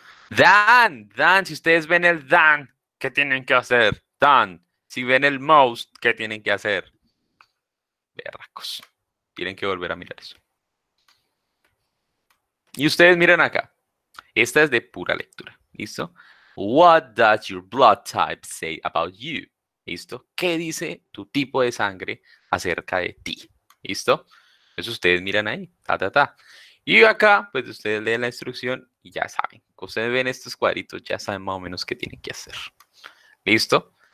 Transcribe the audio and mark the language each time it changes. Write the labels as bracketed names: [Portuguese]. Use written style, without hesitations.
[Spanish] Dan, Dan, si ustedes ven el Dan, ¿qué tienen que hacer? Dan, si ven el most, ¿qué tienen que hacer? Berracos, tienen que volver a mirar eso. Y ustedes miren acá, esta es de pura lectura, ¿listo? [English] What does your blood type say about you? [Spanish] ¿Listo? ¿Qué dice tu tipo de sangre acerca de ti? ¿Listo? Eso ustedes miran ahí, ta, ta, ta. Y acá, pues ustedes leen la instrucción y ya saben. Ustedes ven estos cuadritos, ya saben más o menos qué tienen que hacer. ¿Listo?